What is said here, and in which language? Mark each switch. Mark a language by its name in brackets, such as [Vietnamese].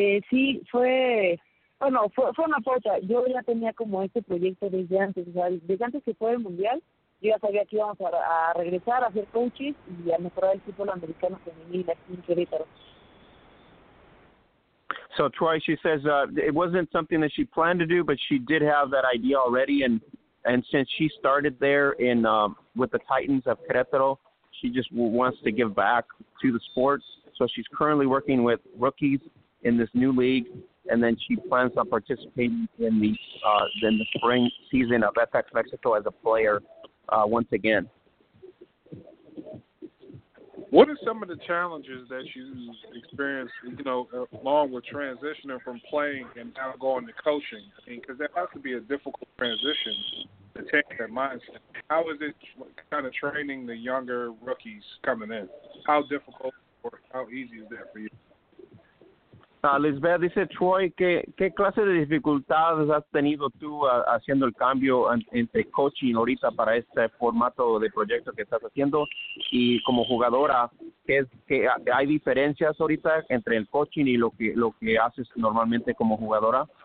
[Spanish] Sí, fue una cosa. Yo ya tenía como este proyecto desde antes, o sea, desde antes que fue el mundial, yo ya sabía que íbamos a regresar a hacer coaches y a mejorar el fútbol americano femenil aquí en Querétaro. [English] So Troy, she says it wasn't something that she planned to do, but she did have that idea already. And since she started there in with the Titans of Querétaro, she just wants to give back to the sport. So she's currently working with rookies in this new league, and then she plans on participating in the spring season of FX Mexico as a player once again. What are some of the challenges that you've experienced, you know, along with transitioning from playing and now going to coaching? I mean, because that has to be a difficult transition to take that mindset. How is it kind of training the younger rookies coming in? How difficult or how easy is that for you? [Spanish] Lisbeth, dice Troy, ¿qué clase de dificultades has tenido tú haciendo el cambio entre coaching ahorita para este formato de proyecto que estás haciendo? Y como jugadora, ¿qué hay diferencias ahorita entre el coaching y lo que haces normalmente como jugadora?